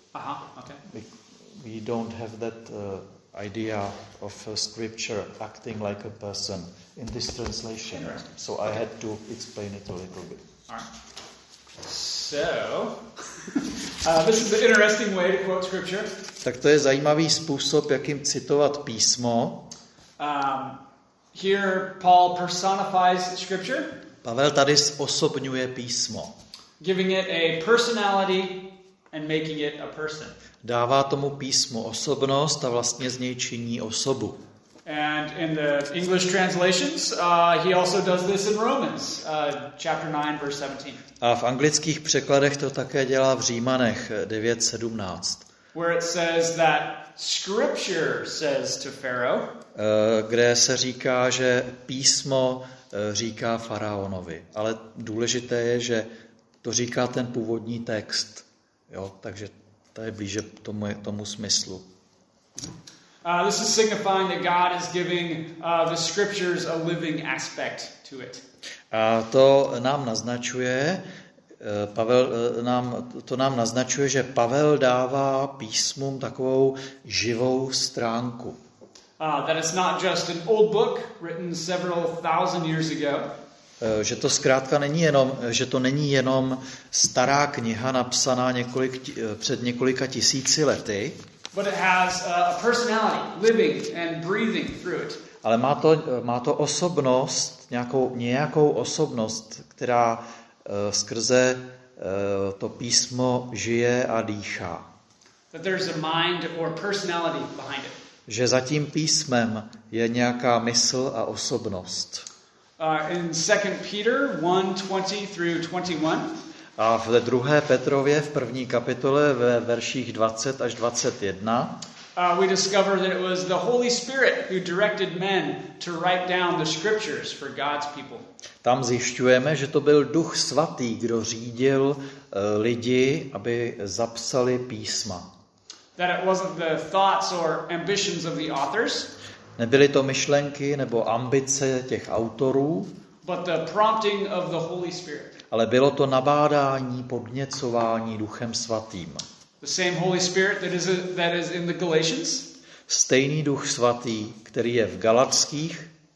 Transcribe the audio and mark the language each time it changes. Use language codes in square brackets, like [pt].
[en] Aha, okay. We don't have that idea of a scripture acting like a person in this translation. Interesting. So I had to explain it a little bit. All right. So, this is an interesting way to quote scripture. [cs] Tak to je zajímavý způsob, jakým citovat písmo. [en] Here Paul personifies scripture. [cs] Pavel tady zosobňuje písmo. [en] Giving it a personality and making it a person. [cs] Dává tomu písmu osobnost a vlastně z něj činí osobu. [en] And in the English translations, he also does this in Romans, chapter 9 verse 17. [cs] A v anglických překladech to také dělá v Římanech 9:17. [en] Where it says that scripture says to Pharaoh, [cs] kde se říká, že písmo říká faraonovi. Ale důležité je, že to říká ten původní text. Jo, takže to je blíže tomu smyslu. [en] This is signifying that God is giving the scriptures a living aspect to it. [cs] A to nám naznačuje, Pavel nám to nám naznačuje, že Pavel dává písmům takovou živou stránku. [en] That it's not just an old book written several thousand years ago. [cs] Že to zkrátka není jenom, že to není jenom stará kniha napsaná před několika tisíci lety. [en] But it has a personality, living and breathing through it. [cs] Ale má to osobnost, nějakou osobnost, která skrze to písmo žije a dýchá. [en] That there's a mind or personality behind it. [cs] Že za tím písmem je nějaká mysl a osobnost. [en] In 2 Peter 1:20 through 21. [cs] A v 2. Petrově v 1. kapitole ve verších 20 až 21. [en] We discover that it was the Holy Spirit who directed men to write down the scriptures for God's people. [cs] Tam zjišťujeme, že to byl Duch svatý, kdo řídil lidi, aby zapsali písma. [en] That it wasn't the thoughts or ambitions of the authors. [cs] Nebyly to myšlenky nebo ambice těch autorů. [en] But the prompting of the Holy Spirit. [cs] Ale bylo to nabádání, podněcování Duchem svatým. [en] The same Holy Spirit that is in the Galatians. [cs] Stejný Duch svatý, který je v Galatských.